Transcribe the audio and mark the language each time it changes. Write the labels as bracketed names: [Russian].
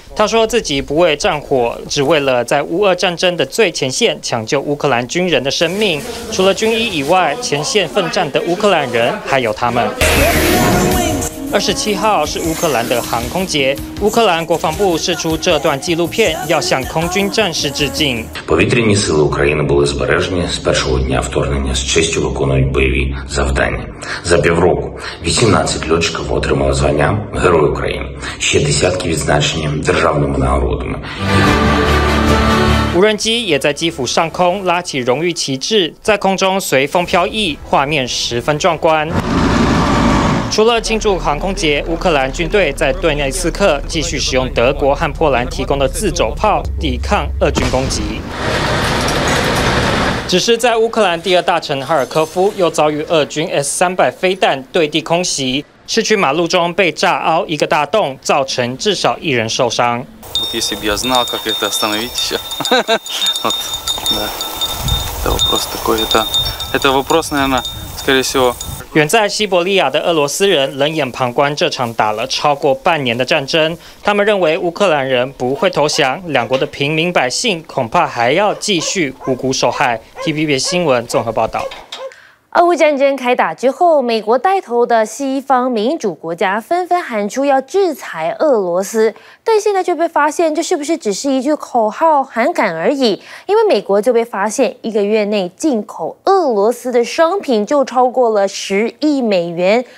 [Chinese] 他说自己不畏战火，只为了在乌俄战争的最前线抢救乌克兰军人的生命。除了军医以外，前线奋战的乌克兰人还有他们。 27号是乌克兰的航空节，乌克兰国防部释出这段纪录片，要向空军战士致敬。 [Ukrainian] Повітряні сили України були збережені з першого дня вторгнення з честю виконують бойові завдання. За півроку 18 льотчиків отримали звання Герой України, ще десятки відзначені державними нагородами. [Chinese] 无人机也在基辅上空拉起荣誉旗帜，在空中随风飘逸，画面十分壮观。除了庆祝航空节，乌克兰军队在顿内茨克继续使用德国和波兰提供的自走炮抵抗俄军攻击。只是在乌克兰第二大城哈尔科夫又遭遇俄军 S-300 飞弹对地空袭，市区马路中被炸凹一个大洞，造成至少一人受伤。 [Russian] Если бы я знал, как это остановить еще. Вот, да. Это вопрос такой, это вопрос, наверное, скорее всего. [Chinese] 远在西伯利亚的俄罗斯人冷眼旁观这场打了超过半年的战争，他们认为乌克兰人不会投降，两国的平民百姓恐怕还要继续无辜受害。 TVB 新闻综合报道。俄乌战争开打之后，美国带头的西方民主国家纷纷喊出要制裁俄罗斯，但现在就被发现这是不是只是一句口号喊喊而已，因为美国就被发现一个月内进口俄罗斯的商品就超过了10亿美元。